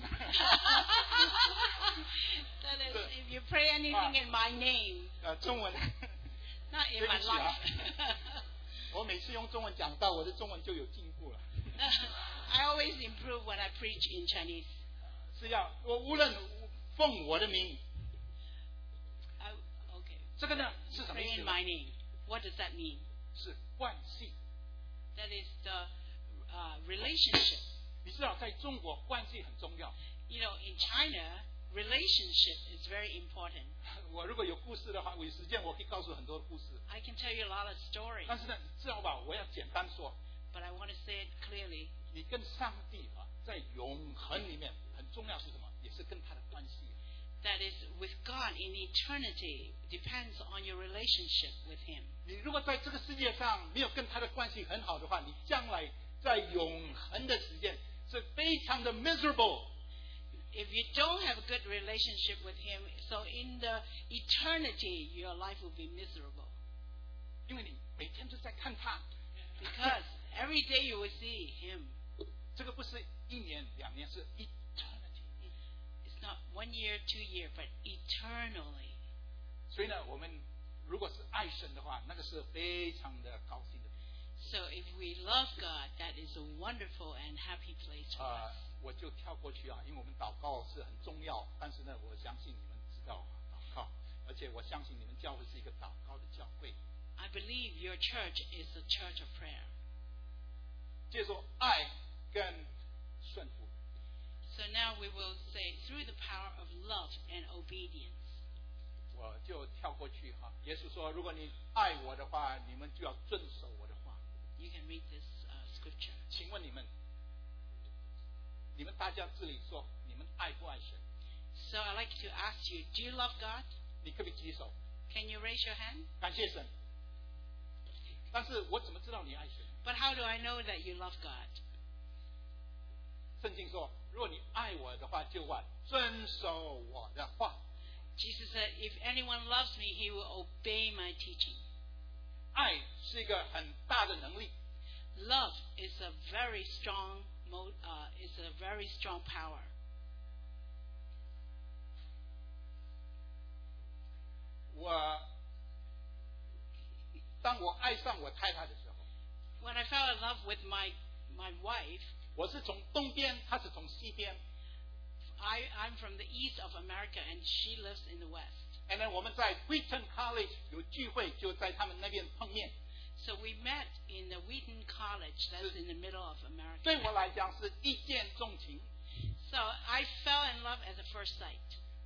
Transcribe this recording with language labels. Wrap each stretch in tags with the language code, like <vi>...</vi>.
<en>That is, if you pray anything in my name</en> <zh>中文</zh> <en>Not in my life</en> <zh>我每次用中文讲到我的中文就有进步了</zh> <en>I always improve when I preach in Chinese</en> <zh>是要我无论奉我的名</zh> <en>okay.</en> <zh>这个呢是什么意思</zh> <en>Pray in my name What does that mean?</en> <zh>是关系</zh> <en>That is the relationship</en> <zh>你知道在中国关系很重要</zh> <en>You know, in China, relationship is very important.</en> <zh>我如果有故事的话，有时间我可以告诉很多故事。</zh> <en>I can tell you a lot of stories.</en> <zh>但是呢，知道吧，我要简单说。</zh> <en>But I want to say it clearly.</en> <zh>你跟上帝啊，在永恒里面很重要是什么？也是跟他的关系。</zh> <en>That is with God in eternity depends on your relationship with Him.</en> <zh>你如果在这个世界上没有跟他的关系很好的话，你将来在永恒的时间是非常的 miserable</zh> <en>If you don't have a good relationship with him So in the eternity Your life will be miserable</en> <zh>因为你每天都在看他</zh> <en>Because every day you will see him</en> <zh>这个不是一年两年是 eternity</zh> <en>It's not one year, two year But eternally</en> <zh>所以呢我们如果是爱神的话那个是非常的高兴的</zh> <en>So if we love God, that is a wonderful and happy place for us.</en> <zh>我就跳过去啊，因为我们祷告是很重要。但是呢，我相信你们知道祷告，而且我相信你们教会是一个祷告的教会。</zh> <en>I believe your church is a church of prayer.</en> <zh>接着爱跟顺服。</zh> <en>So now we will say through the power of love and obedience.</en> <zh>我就跳过去哈、啊。耶稣说，如果你爱我的话，你们就要遵守我的。</zh> <en>You can read this scripture.</en> <zh>请问你们，你们大家这里说，你们爱不爱神</zh> <en>？So I like to ask you, do you love God?</en> <zh>你可不可以举手</zh> <en>？Can you raise your hand?</en> <zh>感谢神。但是我怎么知道你爱神</zh> <en>？But how do I know that you love God?</en> <zh>圣经说，如果你爱我的话，就会遵守我的话。</zh> <en>Jesus said, if anyone loves me, he will obey my teaching.</en> <zh>爱是一个很大的能力。</zh> <en>Love is a very strong is a very strong power.</en> <zh>我当我爱上我太太的时候</zh> <en>，When I fell in love with my wife，</en> <zh>我是从东边，她是从西边。</zh> <en>I'm from the east of America and she lives in the west. And then</en> <zh>我们在 Wheaton College 有聚会，就在他们那边碰面。</zh> <en>So we met in the Wheaton College, that's in the middle of America.</en> <zh>对我来讲是一见钟情。</zh> <en>So I fell in love at the first sight.</en>